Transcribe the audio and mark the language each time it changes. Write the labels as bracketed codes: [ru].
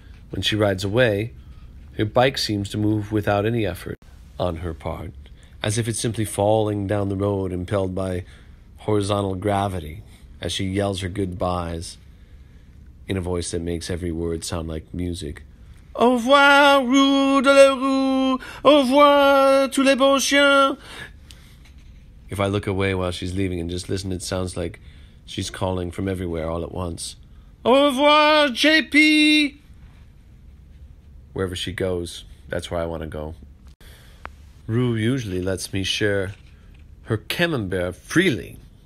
[en] When she rides away, her bike seems to move without any effort on her part, as if it's simply falling down the road impelled by horizontal gravity as she yells her goodbyes in a voice that makes every word sound like music. [fr] Au revoir, Rue de la Rue! Au revoir, tous les beaux chiens! [en] If I look away while she's leaving and just listen, it sounds like she's calling from everywhere all at once. [fr] Au revoir, [en] JP! Wherever she goes, that's where I want to go. Rue usually lets me share her camembert freely.